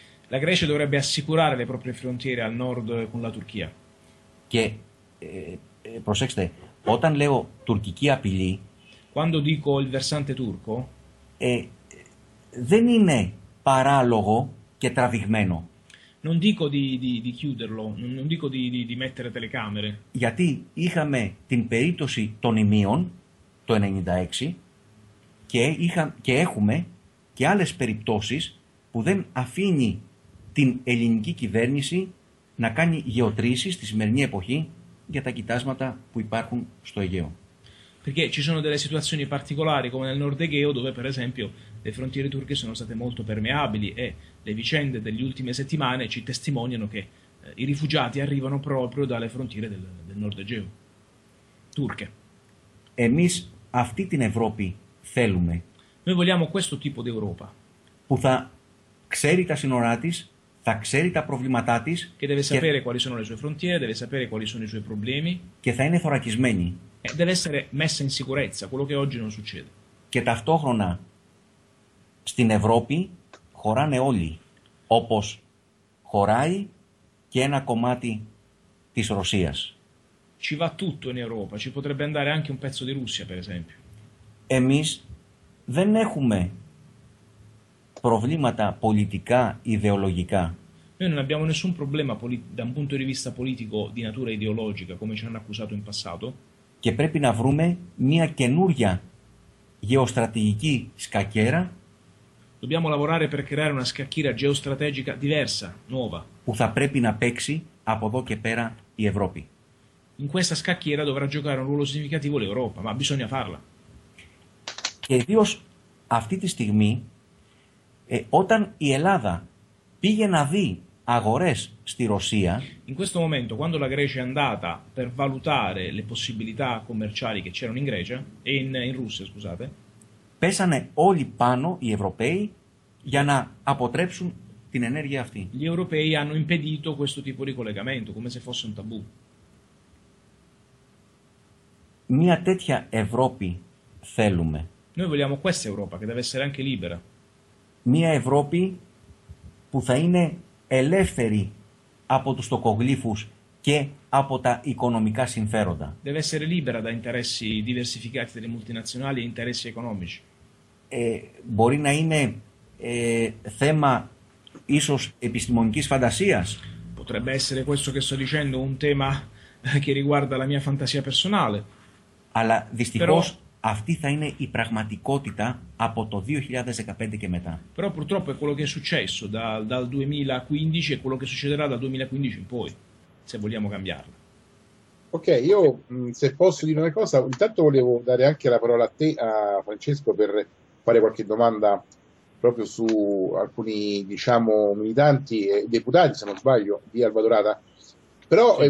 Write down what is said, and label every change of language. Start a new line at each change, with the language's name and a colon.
Italian: La Grecia dovrebbe assicurare le proprie frontiere al nord con la Turchia.
Greek: Και προσέξτε, όταν λέω τουρκική απειλή,
Italian: quando dico il versante turco,
Greek: δεν είναι παράλογο και τραβηγμένο.
Italian: Non dico di chiuderlo, non dico di mettere telecamere.
Greek: Γιατί είχαμε την περίπτωση των ημείων το 96 και έχουμε και άλλες περιπτώσεις που δεν αφήνει την ελληνική κυβέρνηση να κάνει γεωτρήσεις στη σημερινή εποχή για τα κοιτάσματα που υπάρχουν στο Αιγαίο.
Italian: Perché ci sono delle situazioni particolari come nel Nord Egeo dove per esempio le frontiere turche sono state molto permeabili e le vicende delle ultime settimane ci testimoniano che i rifugiati arrivano proprio dalle frontiere del Nord Egeo turche.
Greek: Εμείς αυτή την Ευρώπη θέλουμε.
Italian: Noi vogliamo questo tipo d'Europa.
Greek: Που θα ξέρει τα σύνορά της, θα ξέρει τα προβλήματά της.
Italian: Και deve sapere quali sono le sue frontiere, deve sapere quali sono i suoi problemi.
Greek: Και θα είναι θωρακισμένη.
Italian: Deve essere messa in sicurezza, quello che oggi non succede.
Greek: Και ταυτόχρονα στην Ευρώπη χωράνε όλοι, όπως χωράει και ένα κομμάτι της Ρωσίας.
Italian: Ci va tutto in Europa, ci potrebbe andare anche un pezzo di Russia, per esempio.
Greek: Εμείς δεν έχουμε προβλήματα πολιτικά, ιδεολογικά.
Italian: Noi non abbiamo nessun problema da un punto di vista politico di natura ideologica, come ci hanno accusato in passato.
Greek: Και πρέπει να βρούμε μια καινούργια γεωστρατηγική σκακέρα.
Italian: Dobbiamo lavorare per creare una scacchiera geostrategica diversa, nuova.
Greek: Που θα πρέπει να παίξει από εδώ και πέρα η Ευρώπη.
Italian: In questa scacchiera dovrà giocare un ruolo significativo l'Europa, ma bisogna farla.
Greek: Και ιδίως αυτή τη στιγμή, όταν η Ελλάδα πήγε να δει αγορές στη Ρωσία.
Italian: In questo momento, quando la Grecia è andata per valutare le possibilità commerciali che c'erano in Grecia, in Russia, scusate,
Greek: πέσανε όλοι πάνω οι Ευρωπαίοι για να αποτρέψουν την ενέργεια αυτή.
Italian: Gli Europei hanno impedito questo tipo di collegamento, come se fosse un tabù.
Greek: Μια τέτοια Ευρώπη θέλουμε.
Italian: Noi vogliamo questa Europa, che deve essere anche libera.
Greek: Μια Ευρώπη που θα είναι ελεύθερη από τους τοκογλύφους και από τα οικονομικά συμφέροντα.
Italian: Deve essere libera da interessi diversificati delle multinazionali e interessi economici.
Greek: Μπορεί να είναι θέμα ίσως επιστημονικής φαντασίας.
Italian: Potrebbe essere questo che sto dicendo un tema che riguarda la mia fantasia personale.
Greek: Αλλά δυστυχώς αυτή θα είναι η πραγματικότητα από το 2015 και μετά.
Italian: Però purtroppo è quello che è successo dal 2015 e quello che succederà dal 2015 in poi. Se vogliamo cambiarla. Ok, io se posso dire una cosa, intanto volevo dare anche la parola a te, a Francesco, per fare qualche domanda proprio su alcuni, diciamo, militanti e deputati, se non sbaglio, di Alba Dorata. Però sì.